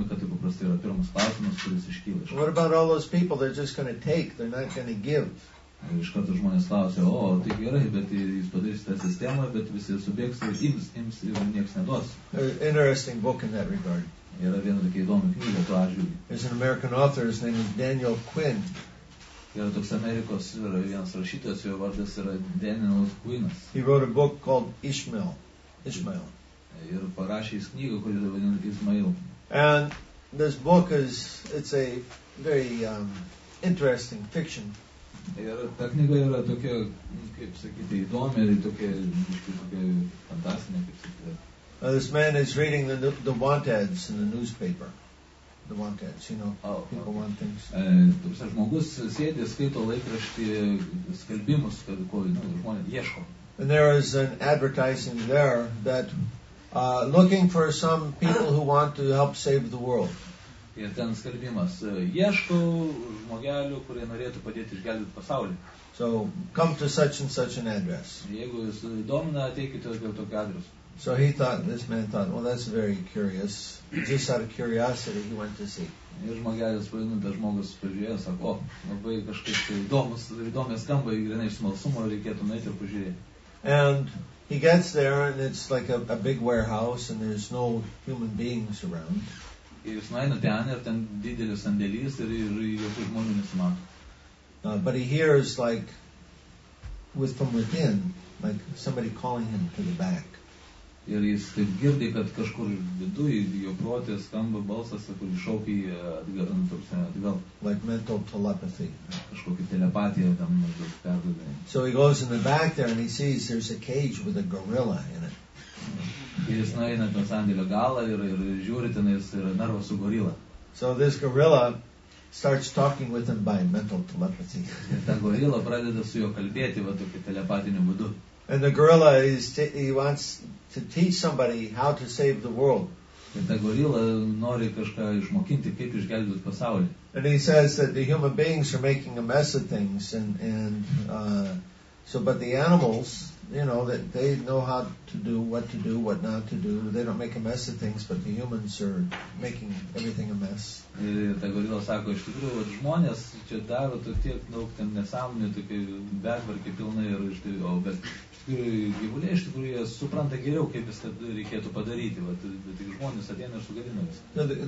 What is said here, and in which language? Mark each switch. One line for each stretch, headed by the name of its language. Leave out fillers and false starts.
English: What about all those people they're just going to take, they're not going to give?
Lithuanian: Iš karto žmonės klausia, o tai gerai, bet jūs padarysite sistemą, bet visi subjektai ims ir nieks neduos.
English: Interesting book in that regard.
Lithuanian: Yra viena tokia įdomi knyga tuo atžiūrį.
English: There's an American author, his name is Daniel Quinn.
Lithuanian: Yra toks Amerikos vienas rašytojas, jo vardas yra Daniel Quinas.
English: He wrote a book called Ishmael.
Lithuanian: Ir parašė jis knygą, kuri vadina Ismail.
English: And this book it's a very interesting fiction.
Lithuanian: Ir ta knyga yra tokia, kaip sakyti, įdomi ir tokia fantastinė, kaip sakyti.
English: This man is reading the want ads in the newspaper. The want ads, you know, people want things.
Lithuanian: Toks žmogus sėdė, skaito laikraštį, skelbimus, ko žmonės ieško.
English: And there is an advertising there that looking for some people who want to help save the world.
Lithuanian: Ir ten skelbimas, ieško žmogelių, kurie norėtų padėti išgelbėti pasaulį.
English: So, come to such and such an address.
Lithuanian: Jeigu jūs įdomina, ateikite dėl tokio adresu.
English: So he thought, this man thought, well, that's very curious. Just out of curiosity, he went to see.
Lithuanian: Ir žmogelis pavadintas žmogus pažiūrėjo, sako, labai kažkaip įdomus skamba, grinai iš smalsumo, reikėtų nueiti ir pažiūrėti.
English: And he gets there, and it's like a big warehouse, and there's no human beings around.
Lithuanian: Ir jis nueina ten, ir ten didelis sandėlys, ir jokių žmonių nesimato.
English: But he hears, like, with from within, like somebody calling him to the back.
Lithuanian: Ir jis taip girdė, kad kažkur viduje jo protė skamba balsas, kurį šaukia atgal.
English: Like mental telepathy.
Lithuanian: Kažkokia telepatija tam maždaug perduoda.
English: So he goes in the back there and he sees there's a cage with a gorilla in it.
Lithuanian: Ir jis nueina ten sandėlio galą ir žiūri tenais yra narvas su gorila.
English: So this gorilla starts talking with him by mental telepathy.
Lithuanian: Ir ta gorila pradeda su juo kalbėti va tokiu telepatiniu būdu.
English: And the gorilla he wants to teach somebody how to save the world.
Lithuanian: Ir ta gorila nori kažką išmokinti, kaip išgelbėti pasaulį.
English: And he says that the human beings are making a mess of things but the animals, you know, that they know how to do, what to do, what not to do. They don't make a mess of things, but the humans are making everything a mess.
Lithuanian: Ir ta gorila sako, iš tikrųjų, vat žmonės čia daro tiek daug ten nesąmonių, tokia betvarkė pilna ir iš tikrųjų, bet gyvuliai iš tikrųjų jie supranta geriau, kaip jis tai reikėtų padaryti, bet tik žmonės ateina ir sugadina visą.